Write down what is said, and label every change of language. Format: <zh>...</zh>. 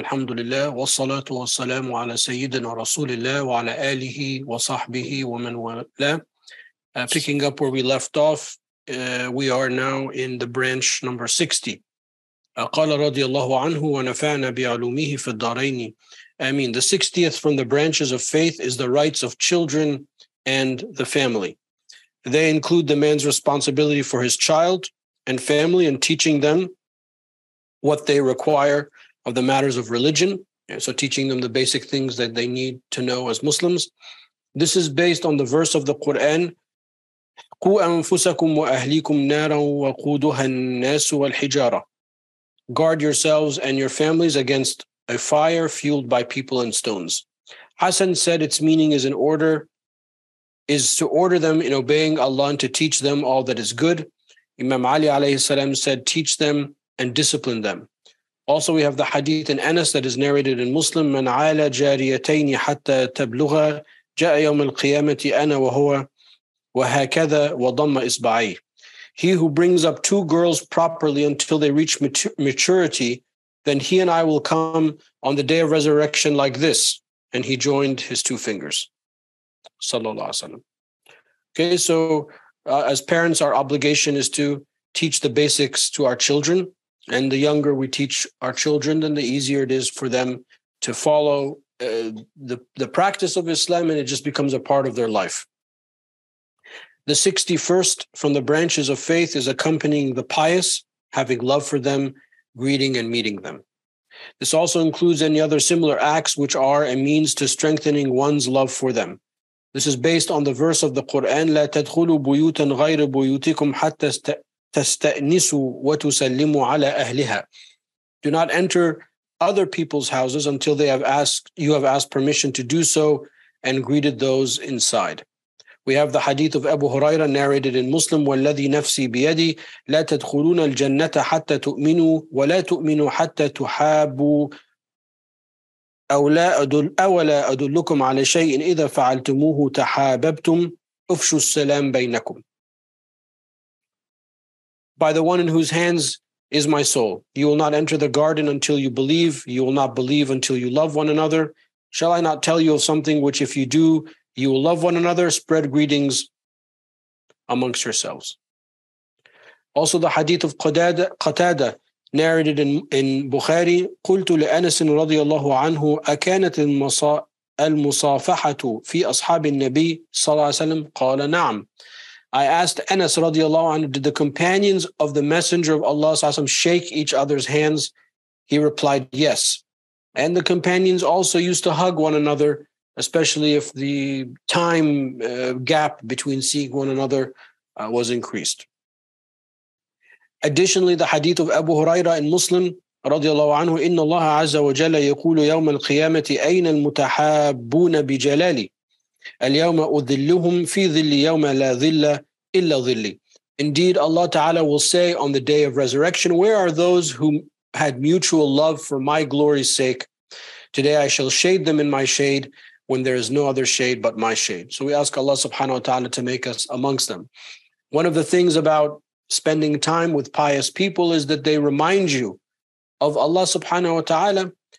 <ar>الحمد لله والصلاة والسلام على سيدنا رسول الله وعلى آله وصحبه ومن والاه.</ar> <en>Picking up where we left off, we are now in the branch number 60.</en> <ar>قال رضي الله عنه ونفعنا بعلومه في الدارين.</ar> <en>I mean, the 60th from the branches of faith is the rights of children and the family. They include the man's responsibility for his child and family and teaching them what they require of the matters of religion, so teaching them the basic things that they need to know as Muslims. This is based on the verse of the Quran,</en> <ar>قُوْ أَنفُسَكُمْ وَأَهْلِكُمْ نَارًا وَقُودُهَا النَّاسُ وَالْحِجَارَةُ.</ar> <en>Guard yourselves and your families against a fire fueled by people and stones. Hassan said its meaning is to order them in obeying Allah and to teach them all that is good. Imam Ali alayhi salam said, teach them and discipline them. Also, we have the hadith in Anas that is narrated in Muslim,</en> <ar>من عالى جاريتين حتى تبلغا جاء يوم القيامة أنا وهو وهكذا وضم إصبعي.</ar> <en>He who brings up two girls properly until they reach maturity, then he and I will come on the day of resurrection like this. And he joined his two fingers. Sallallahu alaihi wasallam. Okay, so as parents, our obligation is to teach the basics to our children. And the younger we teach our children, then the easier it is for them to follow the practice of Islam, and it just becomes a part of their life. The 61st from the branches of faith is accompanying the pious, having love for them, greeting and meeting them. This also includes any other similar acts which are a means to strengthening one's love for them. This is based on the verse of the Quran,</en> <ar>لا تدخلوا بيوتا غير بيوتكم حتى تستأنسوا وتسلموا على أهلها.</ar> <en>Do not enter other people's houses until you have asked permission to do so and greeted those inside. We have the hadith of Abu Huraira narrated in Muslim,</en> <ar>والذي نفسي بيدي لا تدخلون الجنة حتى تؤمنوا ولا تؤمنوا حتى تحابوا أولا أدلكم على شيء إذا فعلتموه تحاببتم أفشوا السلام بينكم.</ar> <en>By the one in whose hands is my soul, you will not enter the garden until you believe. You will not believe until you love one another. Shall I not tell you of something which if you do, you will love one another? Spread greetings amongst yourselves. Also the hadith of Qatada narrated in Bukhari,</en> <ar>قلت لأنس رضي الله عنه أكانت المصافحة في أصحاب النبي صلى الله عليه وسلم قال نعم.</ar> <en>I asked Anas radiallahu anhu, did the companions of the Messenger of Allah sallallahu alaihi wasallam shake each other's hands? He replied, yes. And the companions also used to hug one another, especially if the time gap between seeing one another was increased. Additionally, the hadith of Abu Huraira in Muslim radiallahu anhu,</en> <ar>إِنَّ اللَّهَ عَزَّ وَجَلَّ يَقُولُ يَوْمَ الْقِيَامَةِ أَيْنَ الْمُتَحَابُّونَ بِجَلَالِي الْيَوْمَ أُذِلُّهُمْ فِي ذِلِّ يَوْمَ لَا ذِلَّ إِلَّا ذِلِّ.</ar> <en>Indeed, Allah Ta'ala will say on the day of resurrection, where are those who had mutual love for my glory's sake? Today I shall shade them in my shade when there is no other shade but my shade. So we ask Allah Subhanahu Wa Ta'ala to make us amongst them. One of the things about spending time with pious people is that they remind you of Allah Subhanahu Wa Ta'ala.</en>